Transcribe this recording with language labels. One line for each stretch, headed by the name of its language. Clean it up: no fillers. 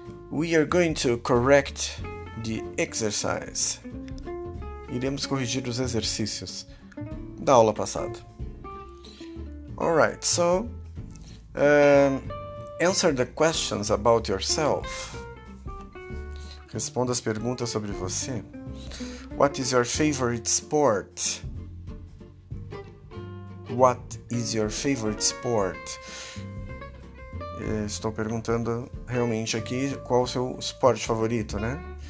English: We are going to correct the exercise.
Portuguese: Iremos corrigir os exercícios da aula passada.
English: Alright, so answer the questions about yourself.
Portuguese: Responda as perguntas sobre você.
English: What is your favorite sport? What is your favorite sport?
Portuguese: Estou perguntando realmente aqui qual o seu esporte favorito, né?